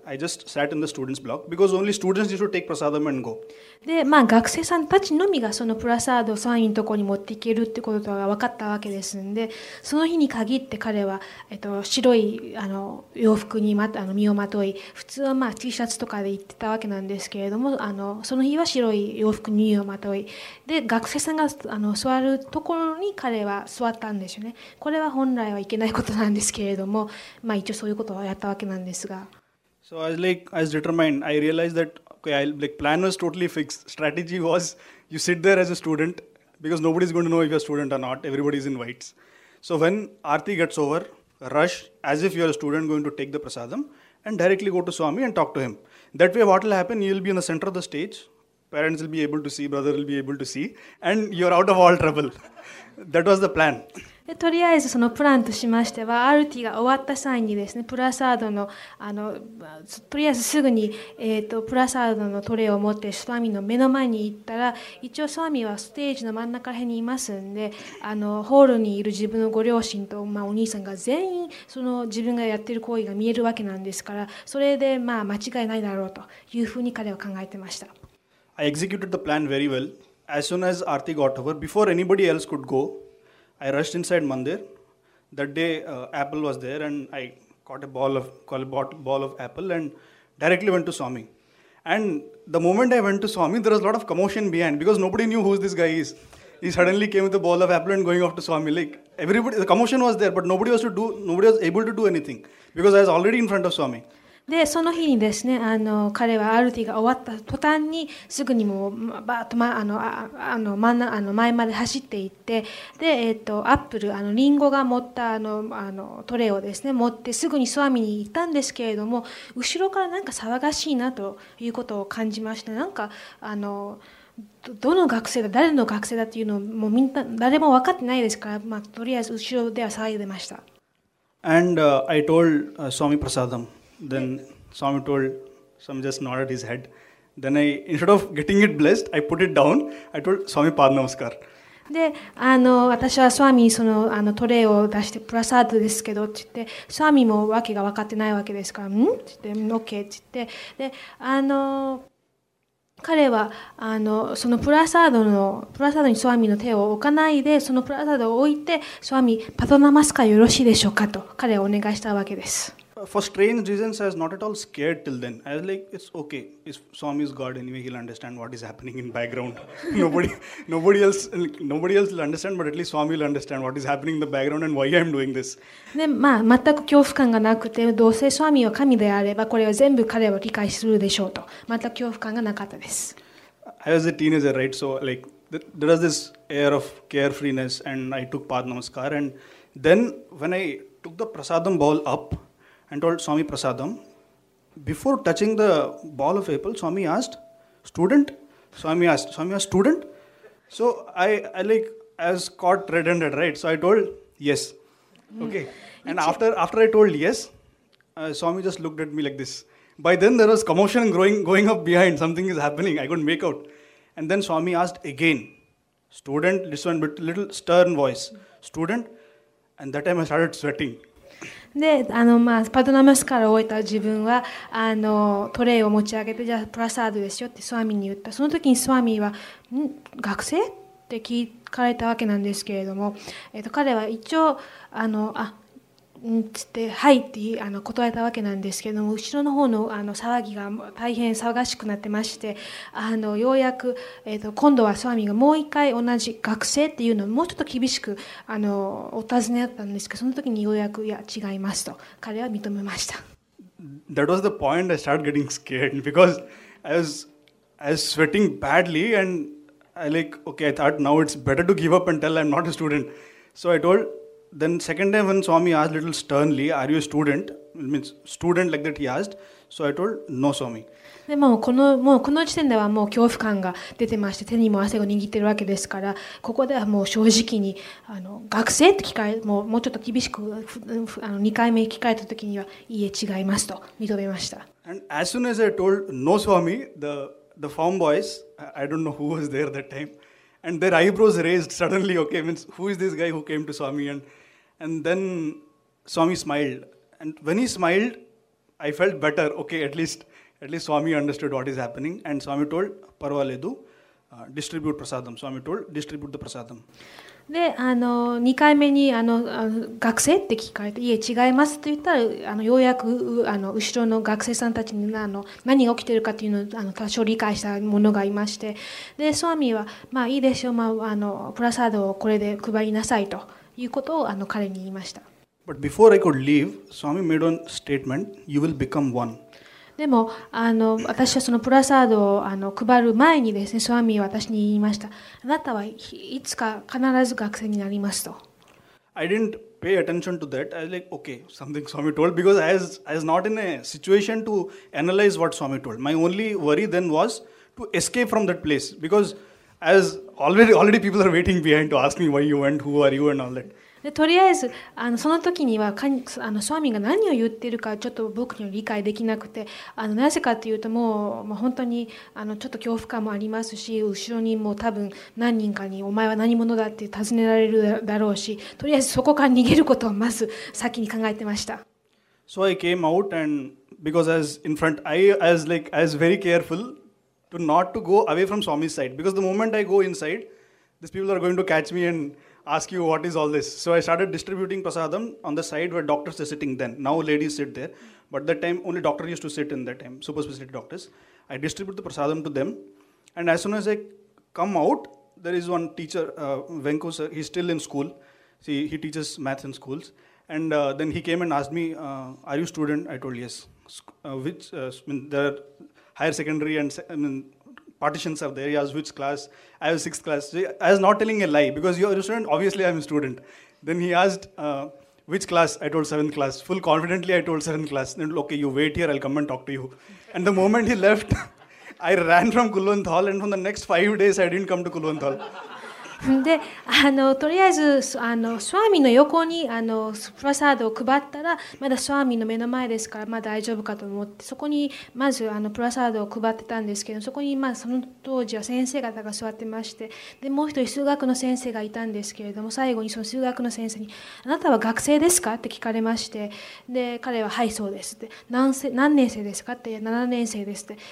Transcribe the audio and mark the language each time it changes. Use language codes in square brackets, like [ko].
[en] I just sat in the students block because only students used to take prasadam and go. [ja] で、まあ学生さんたちのみがそのプラサードをスワミのところに持っていけるってことが分かったわけですんで、その日に限って彼は、白いあの洋服に、ま、あの身をまとい、普通はまあ T シャツとかで行ってたわけなんですけれども、あのその日は白い洋服に身をまとい、で学生さんがあの座るところに彼は座ったんですよね。これは本来はいけないことなんですけれども、まあ一応そういうことをやったわけなんですが。 [en] So I was determined. I realized that okay, like plan was totally fixed. Strategy was you sit there as a student because nobody is going to know if you're a student or not. Everybody is in whites. So when Aarti gets over, rush as if you're a student going to take the prasadam and directly go to Swami and talk to him. That way what will happen, you'll be in the center of the stage, parents will be able to see, brother will be able to see, and you're out of all trouble. That was the plan. [ja] でとりあえずそのプランとしましては、アルティが終わった際にですね、プラサード の, あのとりあえずすぐに、プラサードのトレイを持ってスワミの目の前に行ったら、一応スワミはステージの真ん中辺にいますんで、あのホールにいる自分のご両親と、まあ、お兄さんが全員その自分がやっている行為が見えるわけなんですから、それで、まあ、間違いないだろうというふうに彼は考えてました。 [en] I executed the plan very well. As soon as Arti got over, before anybody else could go,I rushed inside Mandir. That day, Apple was there and I caught a ball of Apple and directly went to Swami. And the moment I went to Swami, there was a lot of commotion behind because nobody knew who this guy is. He suddenly came with a ball of Apple and going off to Swami. Like everybody, the commotion was there, but nobody was able to do anything because I was already in front of Swami. [ja] でその日にですね、あの彼はアルティが終わった途端にすぐにもバッと、ま、あの前まで走っていって、で、アップル、あのリンゴが持ったあのトレイをですね持ってすぐにスワミに行ったんですけれども、後ろからなんか騒がしいなということを感じました。なんかあの どの学生だ、誰の学生だっていうのをもうみんな誰も分かってないですから、まあ、とりあえず後ろでは騒いでました。 [en] And、I told、Swami Prasadam. Then Swami told, Swami just nodded his head. Then I, instead of getting it blessed, I put it down. I told Swami Pad Namaskar. [ja] で、あの、私はSwamiにその、あの、トレイを出してプラサードですけどって言って、Swamiもわけが分かってないわけですから、ん? って言って、OK って言って、で、あの、彼はあのそのプラサードのプラサードにスワミの手を置かないで、そのプラサードを置いて、スワミパドナマスカよろしいでしょうかと彼はお願いしたわけです。 [en] For strange reasons, I was not at all scared till then. I was like, it's okay. If Swami is God, anyway, he'll understand what is happening in background. nobody else will understand, but at least Swami will understand what is happening in the background and why I'm doing this. [ja] で、まあ、全く恐怖感がなくて、どうせスワミは神であれば、これは全部彼は理解するでしょうと。全く恐怖感がなかったです。 [en] I was a teenager, right? So, like, there was this air of carefreeness, and I took Pad Namaskar. And then, when I took the prasadam bowl up,And told Swami Prasadam, before touching the ball of apple, Swami asked, student? Swami asked, student? So I was caught red-handed, right? So I told, yes. Okay. And after I told yes, Swami just looked at me like this. By then there was commotion going up behind. Something is happening. I couldn't make out. And then Swami asked again, student, this one, but little stern voice, student? And that time I started sweating. [ja] で、あの、まあ、パドナマスカラを終えた自分はあのトレイを持ち上げて、じゃあプラサードですよってスワミに言った。その時にスワミは、ん?学生?って聞かれたわけなんですけれども、彼は一応あのあんつってはいってあの答えたわけなんですけれども、後ろの方 の, あの騒ぎが大変騒がしくなってまして、あのようやく、今度はスワミがもう一回同じ学生っていうのをもうちょっと厳しくあのお尋ねだったんですけど、その時にようやくいや違いますと彼は認めました。 [en] That was the point I started getting scared because I was sweating badly and I like okay I thought now it's better to give up and tell I'm not a student. So I toldThen second time when Swami asked little sternly, are you a student? It means student like that he asked. So I told, no Swami. [ja] でもこのもうこの時点ではもう恐怖感が出てまして、手にも汗を握ってるわけですから、ここではもう正直にあの学生って聞かれ、もうちょっと厳しくあの2回目聞かれた時にはいいえ違いますと認めました。 [en] And as soon as I told no Swami, the farm boys, I don't know who was there that time,And their eyebrows raised suddenly, okay, means who is this guy who came to Swami? And then Swami smiled. And when he smiled, I felt better. Okay, at least Swami understood what is happening. And Swami told, [te] Parvaledu, [en] distribute prasadam. Swami told, distribute the prasadam. [ja] で、あの2回目にあの学生って聞かれて、いえ違いますと言ったら、あのようやくあの後ろの学生さんたちにあの何が起きているかというのをあの多少理解したものがいまして、でスワミは、まあいいでしょう、まあ、あのプラサードをこれで配りなさいということをあの彼に言いました。 [en] But before I could leave, Swami made one statement, you will become one. [ja] でもあの私はそのプラサードをあの配る前にですね、スワミは私に言いました。あなたはいつか必ず学生になりますと。 [en] I didn't pay attention to that, I was like, okay, something Swami told, because I was not in a situation to analyze what Swami told. My only worry then was to escape from that place, because as already people are waiting behind to ask me why you went, who are you and all that. [ja] でとりあえずあのその時にはかあのスワミが何を言ってるかちょっと僕には理解できなくて、あのなぜかというともう、まあ、本当にあのちょっと恐怖感もありますし、後ろにも多分何人かにお前は何者だって尋ねられるだろうし、とりあえずそこから逃げることをまず先に考えてました。 [en] So I came out and because I was in front, I was very careful to not to go away from Swami's side, because the moment I go inside, these people are going to catch me andask you what is all this. So I started distributing prasadam on the side where doctors are sitting then. Now ladies sit there. But that time only doctor used to sit in that time, super specific doctors. I distribute the prasadam to them. And as soon as I come out, there is one teacher, Venko sir, he's still in school. See, he teaches math in schools. And then he came and asked me, are you a student? I told yes. There are higher secondary and partitions are there. He asked which class. I was sixth class. I was not telling a lie, because you are a student, obviously I'm a student. Then he asked which class. I told seventh class. Full confidently I told seventh class. Then okay, you wait here, I'll come and talk to you. And the moment he left, I ran from Kulwant Hall, and for the next 5 days I didn't come to Kulwant Hall. [ja] で、あのとりあえずあのスワミの横にあのプラサードを配ったら、まだスワミの目の前ですから、まあ、大丈夫かと思って、そこにまずあのプラサードを配ってたんですけど、そこに、まあ、その当時は先生方が座ってまして、でもう一人数学の先生がいたんですけれども、最後にその数学の先生に、あなたは学生ですかって聞かれまして、で彼ははいそうですって、 何年生ですかって、いや7年生ですって。